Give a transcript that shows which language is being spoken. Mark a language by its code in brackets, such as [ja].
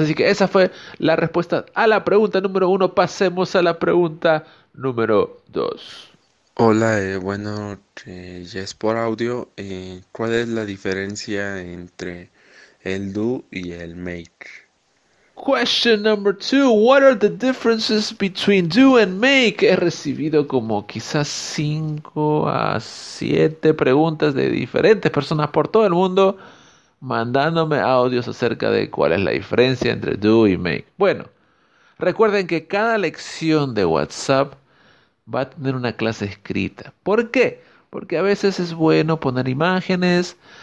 [es] Así que esa fue la respuesta a la pregunta número uno. Pasemos a la pregunta número dos. Hola, bueno, ya es por audio. ¿Cuál es la diferencia entre el do y el make? [en] Question number two. What are the differences between do and make? [es] He recibido como quizás 5 a 7 preguntas de diferentes personas por todo el mundo mandándome audios acerca de cuál es la diferencia entre do y make. Bueno, recuerden que cada lección de WhatsApp va a tener una clase escrita. ¿Por qué? Porque a veces es bueno poner imágenes,